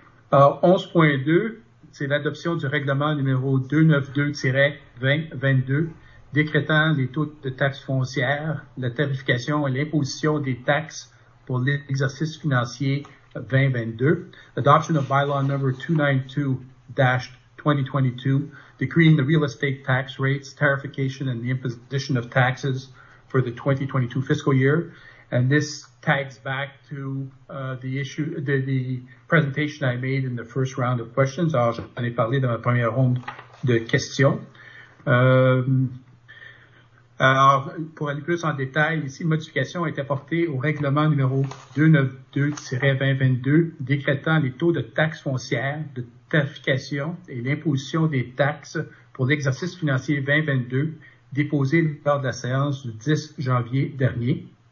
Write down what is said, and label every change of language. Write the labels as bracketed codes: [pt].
[fr] Alors, 11.2, c'est l'adoption du règlement numéro 292-2022 décrétant les taux de taxes foncières, la tarification et l'imposition des taxes pour l'exercice financier 2022. [en] Adoption of bylaw number 292-2022, decreeing the real estate tax rates, tarification, and the imposition of taxes for the 2022 fiscal year. And this ties back to the presentation I made in the first round of questions. [fr] Alors, j'en ai parlé dans ma première ronde de questions. Alors, pour aller plus en détail, ici, une modification a été apportée au règlement numéro 292-2022, décrétant les taux de taxes foncières, de tarification et l'imposition des taxes pour l'exercice financier 2022, déposé lors de la séance du 10 janvier dernier.